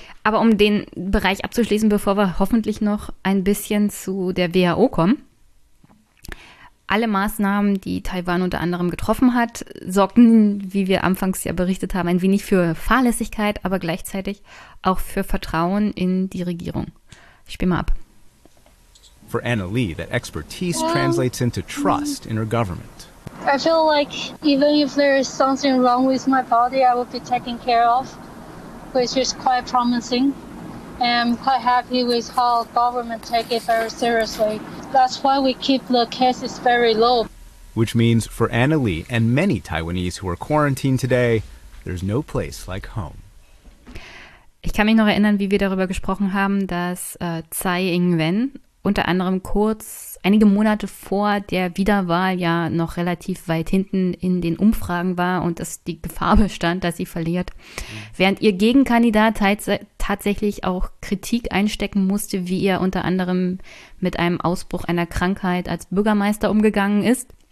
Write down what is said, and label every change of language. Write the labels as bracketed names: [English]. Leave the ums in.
[German] Aber um den Bereich abzuschließen, bevor wir hoffentlich noch ein bisschen zu der WHO kommen. Alle Maßnahmen, die Taiwan unter anderem getroffen hat, sorgten, wie wir anfangs ja berichtet haben, ein wenig für Fahrlässigkeit, aber gleichzeitig auch für Vertrauen in die Regierung. Ich spiel mal ab. [English] For Anna Lee, that expertise translates into trust in her government. I feel like even if there is something wrong with my body, I will be taken care of, which is quite promising. And I'm quite happy with how government take it very seriously. That's why we keep the cases very low. Which means for Anna Lee and many Taiwanese who are quarantined today, there's no place like home. [German] Ich kann mich noch erinnern, wie wir darüber gesprochen haben, dass äh, Tsai Ing-wen unter anderem kurz einige Monate vor der Wiederwahl ja noch relativ weit hinten in den Umfragen war und dass die Gefahr bestand, dass sie verliert. Während ihr Gegenkandidat tats tatsächlich auch Kritik einstecken musste, wie er unter anderem mit einem Ausbruch einer Krankheit als Bürgermeister umgegangen ist.